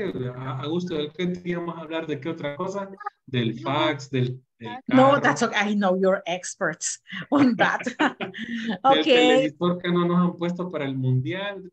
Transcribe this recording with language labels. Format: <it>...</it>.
<es>A gusto del que íbamos a hablar de qué otra cosa, del fax, del carro.</es> <en>No, that's okay. I know you're experts on that. Okay.</en> <es>¿Por qué no nos han puesto para el mundial?</es>